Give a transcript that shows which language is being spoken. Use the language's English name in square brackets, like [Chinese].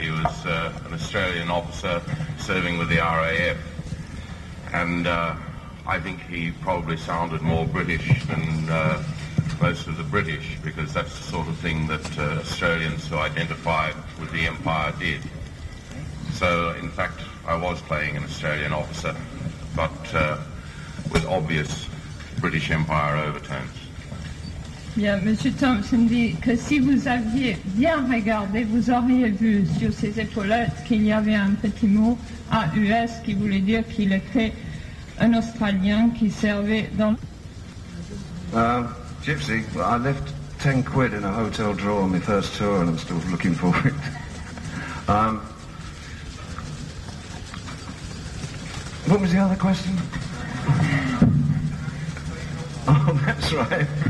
[English] He was an Australian officer serving with the RAF, and I think he probably sounded more British than most of the British, because that's the sort of thing that Australians who identified with the Empire did. So in fact I was playing an Australian officer, but with obvious British Empire overtones. [French] Bien, Monsieur Thompson dit que si vous aviez bien regardé, vous auriez vu sur ses épaulettes qu'il y avait un petit mot AUS qui voulait dire qu'il était un Australien qui servait dans... [English] Gypsy, well, I left 10 quid in a hotel drawer on my first tour and I'm still looking for it. What was the other question? Oh, that's right.